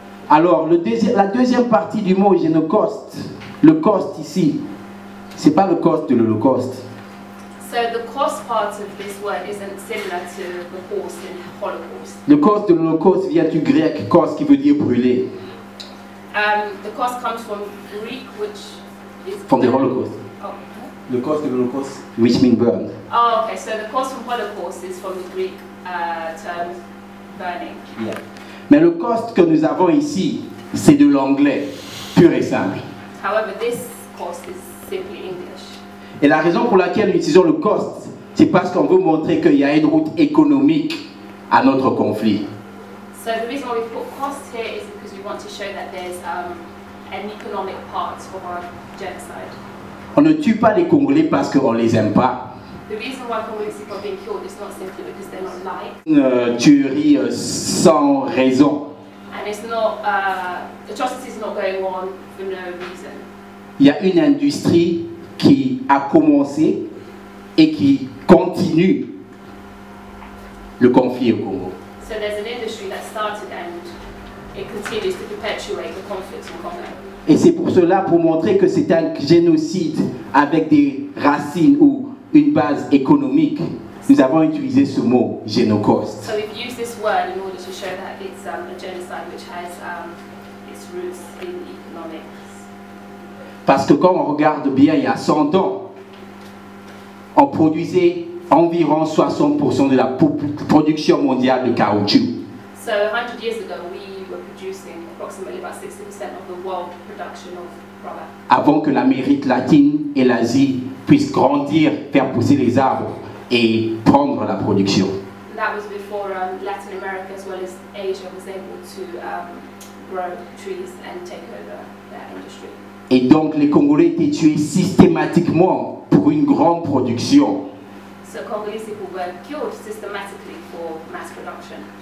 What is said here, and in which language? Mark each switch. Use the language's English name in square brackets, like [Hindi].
[French] Alors, la deuxième partie du mot génocide, le cost ici, ce n'est pas le cost de l'Holocauste. [English] So the cost part of this word isn't similar to the cost in Holocaust. [French] Le cost de l'Holocauste vient du grec cost qui veut dire brûler. [English] The cost comes from Greek, which is from the Holocaust. The cost of Holocaust, which means burned. Oh, okay. So the cost of Holocaust is from the Greek term burning. Yeah. [French] Mais le cost que nous avons ici, c'est de l'anglais, pur et simple. [English] However, this cost is simply English. [French] Et la raison pour laquelle nous utilisons le cost, c'est parce qu'on veut montrer qu'il y a une route économique à notre conflit. [English] So the reason why we put cost here is because we want to show that there's an economic part for our genocide. [French] On ne tue pas les Congolais parce qu'on ne les aime pas. [English] The reason why Congolais people are being killed is not simply because they're not liked. [French] Une tuerie sans raison. [English] And it's not, atrocities are not going on for no reason. [French] Il y a une industrie qui a commencé et qui continue le conflit au Congo. [English] So there's an industry that started and it continues to perpetuate the conflict in Congo. [French] Et c'est pour cela, pour montrer que c'est un génocide avec des racines ou une base économique, nous avons utilisé ce mot, génocide. [English] So we've used this word in order to show that it's a genocide which has its roots in economics. [French] Parce que quand on regarde bien, il y a 100 ans, on produisait environ 60% de la production mondiale de caoutchouc. [English] So 100 years ago, we were producing approximately about 60% of the world production of rubber. [French] Avant que l'Amérique latine et l'Asie puissent grandir, faire pousser les arbres et prendre la production. [English] That was before Latin America as well as Asia was able to grow trees and take over their industry. [French] Et donc les Congolais étaient tués systématiquement pour une grande production. [English] So Congolese people were killed systematically for mass production.